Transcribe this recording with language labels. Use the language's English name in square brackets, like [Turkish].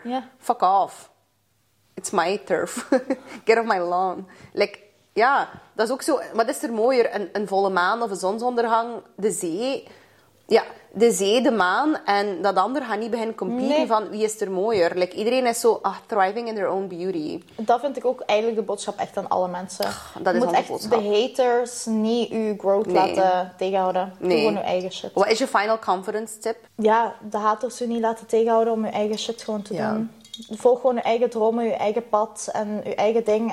[English] Yeah. Fuck off. It's my turf. Get off my lawn. [Dutch] Like, ja, dat is ook zo. Wat is er mooier? Een volle maan of een zonsondergang? De zee. Ja, de zee, de maan en dat ander gaat niet beginnen competen van wie is er mooier. [English] Like, [Dutch] iedereen is zo [English] thriving in their own beauty. [Dutch] Dat vind ik ook eigenlijk de boodschap echt aan alle mensen. Dat is moet echt boodschap. De haters niet uw growth laten tegenhouden. Nee. Gewoon uw eigen shit. Wat is je final confidence tip? Ja, de haters u niet laten tegenhouden om uw eigen shit gewoon te doen. Volg gewoon uw eigen dromen, uw eigen pad en uw eigen ding.